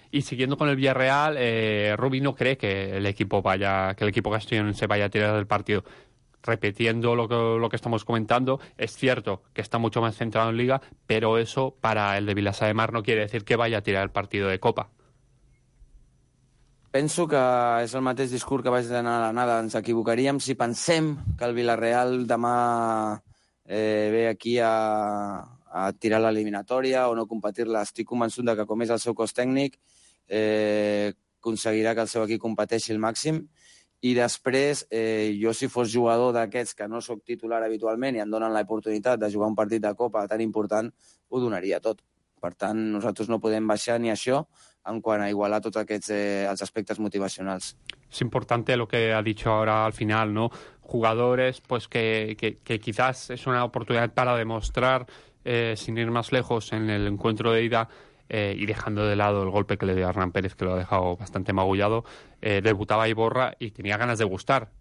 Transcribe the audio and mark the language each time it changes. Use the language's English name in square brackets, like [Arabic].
[Spanish] Y siguiendo con el Villarreal, Rubi no cree que el equipo castellón se vaya a tirar del partido. Repitiendo lo que estamos comentando, es cierto que está mucho más centrado en Liga, pero eso para el de Vilassar de Mar no quiere decir que vaya a tirar el partido de Copa. [Catalan] Penso que és el mateix discurs que vaig donar a la nada. Ens equivocaríem si pensem que el Villarreal demà ve aquí a tirar l'eliminatòria o no competir-la. Estic convençut que, com és el seu cos tècnic, aconseguirà que el seu equip competeixi el màxim. I després, jo si fos jugador d'aquests que no sóc titular habitualment i em donen l'oportunitat de jugar un partit de Copa tan important, ho donaria tot. Per tant, nosaltres no podem baixar ni això en quant a igualar tots aquests els aspectes motivacionals. [Spanish] Es importante lo que ha dicho ahora al final, ¿no? Jugadores, pues que quizás es una oportunidad para demostrar, sin ir más lejos, en el encuentro de ida y dejando de lado el golpe que le dio a Hernán Pérez, que lo ha dejado bastante magullado, debutaba Iborra y tenía ganas de gustar.